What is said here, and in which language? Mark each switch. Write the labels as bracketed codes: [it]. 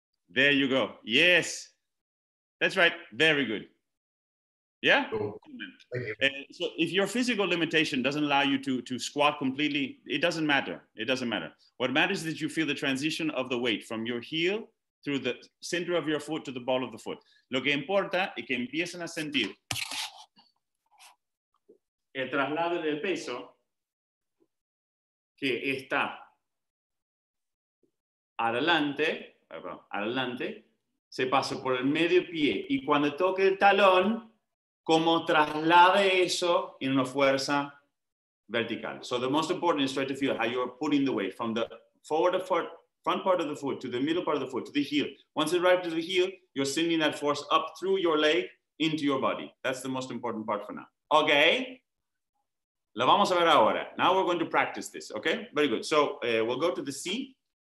[en] There you go. Yes. That's right. Very good. Yeah? Cool. So if your physical limitation doesn't allow you to squat completely, it doesn't matter. It doesn't matter. What matters is that you feel the transition of the weight from your heel through the center of your foot to the ball of the foot. [es] Lo que importa es que empiecen a sentir el traslado del peso que está adelante, adelante, se pasa por el medio pie y cuando toque el talón, como traslade eso en una fuerza vertical. [en] So the most important is try to feel how you're putting the weight from the forward of foot front part of the foot to the middle part of the foot to the heel. Once it arrives to the heel, you're sending that force up through your leg into your body. That's the most important part for now. Okay. [es] La vamos a ver ahora. [en] Now we're going to practice this. Okay. Very good. So we'll go to the C.